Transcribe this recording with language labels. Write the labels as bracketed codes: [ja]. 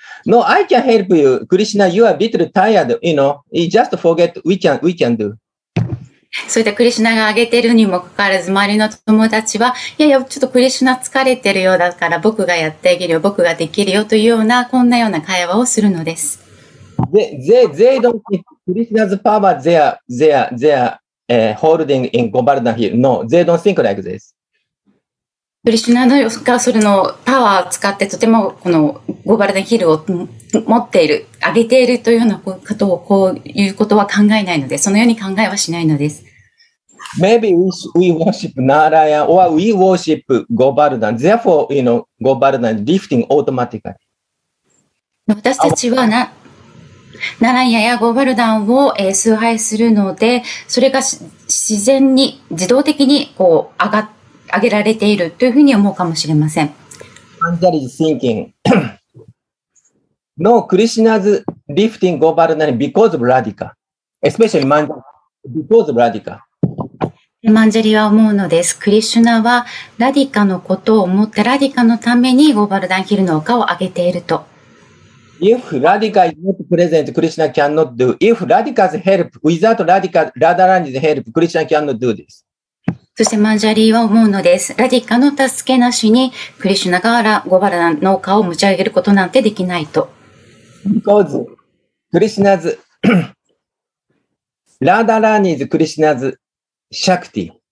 [en] No, I can help you. クリシュナ you are a bit tired. You know, just forget we can do. [ja] そういったクリシュナが挙げてるにもかかわらず、周りの友達は、いやいや、ちょっとクリシュナ疲れてるようだから、僕がやってあげるよ、僕ができるよというような、こんなような会話をするのです。 [en] They don't think Krishna's power they are holding in Govardhan Hill. No, they don't think like this. [ja] クリシュナがそれのパワーを使って、とてもこのGovardhan Hillを持っている、あげているというようなことを、こういうことは考えないので、そのように考えはしないのです。 [en] Maybe we worship Narayan or we worship Govardhan. Therefore, you know, Govardhan lifting automatically. [ja] 私たちはナラヤやゴバルダンを、崇拝するので、それが自然に、自動的にこう上げられているというふうに思うかもしれません。 [en] アンジャリ is thinking, no, Krishna's lifting Govardhan because of Radhika, especially Manjari, because of Radhika. [ja] マンジャリは思うのです。クリシュナはラディカのことを思って、ラディカのためにゴバルダンヒルの丘を上げていると。 [en] If Radhika is not present, Krishna cannot do. If Radhika's help, without Radhika, Radharani's help, Krishna cannot do this. [ja] そしてマンジャリーは思うのです。ラディカの助けなしに、クリシュナがゴバルダンの丘を持ち上げることなんてできないと。 [en] Because Krishna's, Radharani's Krishna's Shakti.